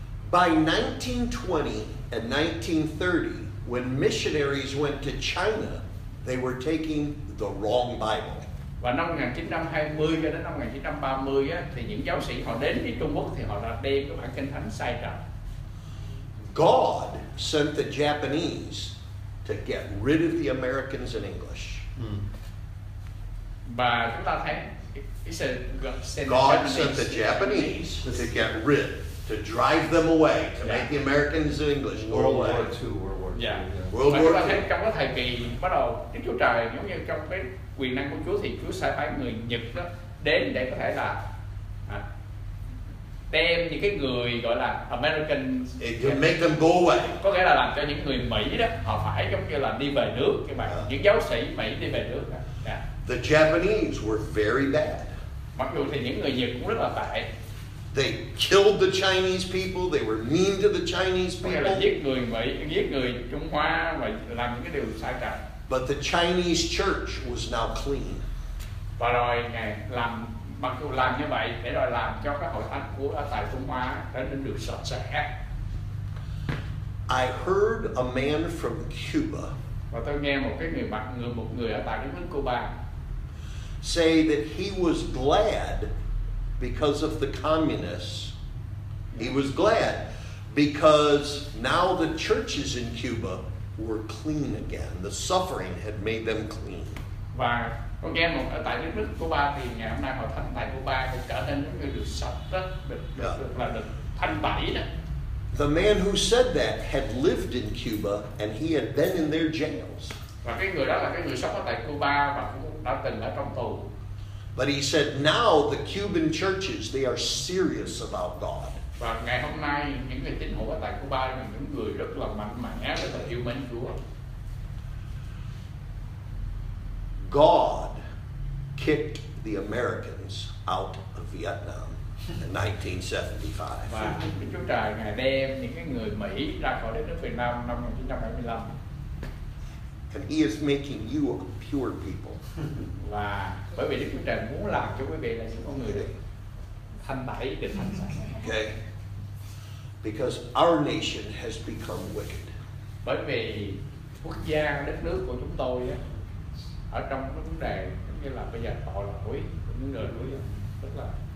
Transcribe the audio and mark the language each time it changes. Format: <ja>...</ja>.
<en>by 1920 and 1930, when missionaries went to China, they were taking the wrong Bible.</en> <vi>Và năm 1920 cho đến năm 1930 á, thì những giáo sĩ họ đến với Trung Quốc thì họ đã đem cái bản kinh thánh sai trật.</vi> <en>God sent the Japanese to get rid of the Americans in English.</en> <vi>Và chúng ta thấy</vi> <en>God sent the Japanese to get rid, to drive them away, to make the Americans in English go away. World War II.</en> <vi>Chúng ta thấy trong cái thời kỳ bắt đầu Đức Chúa Trời giống như trong cái quyền năng của Chúa thì Chúa sai phái người Nhật đó đến để có thể là đem những cái người gọi là American,</vi> <en>make them go away.</en> <vi>Có nghĩa là làm cho những người Mỹ đó họ phải giống như là đi về nước, các bạn. Những giáo sĩ Mỹ đi về nước.</vi> <en>The Japanese were very bad.</en> <vi>Mặc dù thì những người Nhật cũng rất là tệ.</vi> <en>They killed the Chinese people. They were mean to the Chinese people.</en> <vi>Có nghĩa là giết người Mỹ, giết người Trung Hoa và làm những cái điều sai trái.</vi> <en>But the Chinese church was now clean.</en> <vi>Và rồi ngài làm, mặc dù làm như vậy để rồi làm cho các hội thánh của tại Trung Hoa trở nên được sạch sẽ.</vi> <en>I heard a man from Cuba.</en> <vi>Và tôi nghe một cái người bạn, một người ở tại nước Cuba,</vi> <en>say that he was glad because of the communists. He was glad because now the churches in Cuba were clean again. The suffering had made them clean.</en> <vi>Và có nghe một ở tại nước Cuba thì ngày hôm nay họ thanh tẩy Cuba thì trở nên người được sạch đó, được thanh tẩy đó.</vi> <en>The man who said that had lived in Cuba and he had been in their jails.</en> <vi>Và cái người đó là cái người sống ở tại Cuba và cũng đã từng ở trong tù.</vi> <en>But he said now the Cuban churches, they are serious about God.</en> <vi>Và ngày hôm nay những người tín hữu ở tại Cuba là những người rất là mạnh mẽ, rất là yêu mến Chúa.</vi> <en>God kicked the Americans out of Vietnam in 1975.</en> <vi>Và Chúa Trời ngài đem những cái người Mỹ ra khỏi đất nước Việt Nam năm 1975.</vi> <en>And he is making you a pure people.</en> <vi>Và bởi vì Đức Chúa Trời muốn làm cho quý vị là những con người thanh tẩy, được thanh sạch.</vi> <en>Okay. Because our nation has become wicked.</en> <vi>Bởi vì quốc gia đất nước của chúng tôi á, ở trong vấn đề giống như là bây giờ tội lỗi những người đuối, tức là</vi>